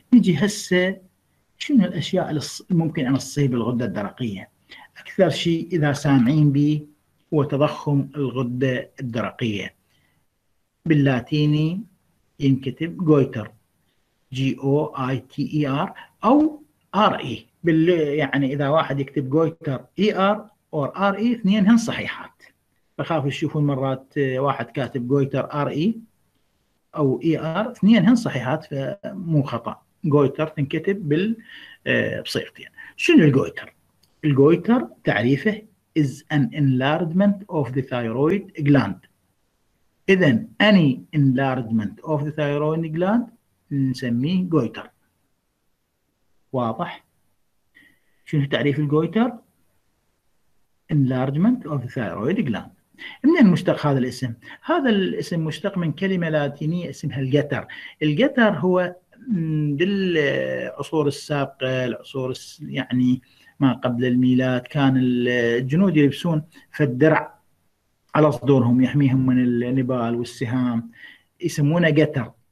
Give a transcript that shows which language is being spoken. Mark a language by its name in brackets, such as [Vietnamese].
[Arabic] نجي هسه شنو الاشياء اللي ممكن ان تصيب الغدة الدرقية؟ اكثر شيء اذا سامعين به هو تضخم الغدة الدرقية، باللاتيني ينكتب جويتر، جي او اي تي اي ار، او ار اي يعني اذا واحد يكتب جويتر اي ار او ار اي اثنين هن صحيحات. بخاف تشوفون مرات واحد كاتب جويتر ار اي او اي ار، اثنين هن صحيحات فمو خطا، جويتر تنكتب بصيغتين. شنو الجويتر؟ الجويتر تعريفه [English] is an enlargement of the thyroid gland. [Arabic] إذا [English] any enlargement of the thyroid gland [Arabic] نسميه جويتر. واضح؟ شنو تعريف الجويتر؟ [English] enlargement of the thyroid gland. [Arabic] منين مشتق هذا الاسم؟ هذا الاسم مشتق من كلمة لاتينية اسمها الجتر. الجتر هو بالعصور السابقة، العصور يعني ما قبل الميلاد، كان الجنود يلبسون فالدرع على صدورهم يحميهم من النبال والسهام، يسمونه جتر.